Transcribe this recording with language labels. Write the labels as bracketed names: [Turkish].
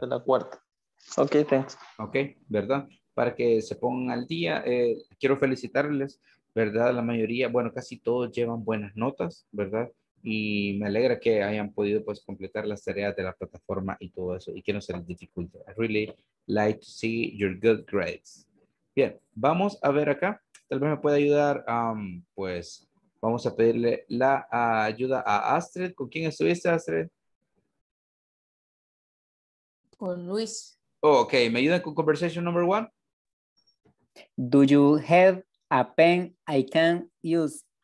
[Spanish] De la cuarta. Ok, thanks. Ok, ¿verdad? Para que se pongan al día, quiero felicitarles, ¿verdad? La mayoría, bueno, casi todos llevan buenas notas, ¿verdad? Y me alegra que hayan podido, pues, completar las tareas de la plataforma y todo eso, y que no se les dificulte. [English] I really like to see your good grades. [Spanish] Bien, vamos a ver acá. Tal vez me pueda ayudar, pues... Vamos a pedirle la ayuda a Astrid. ¿Con quién estuviste, Astrid? Con Luis. Oh, ok, ¿me ayudan con [English] conversation number one? Do you have a pen I can use?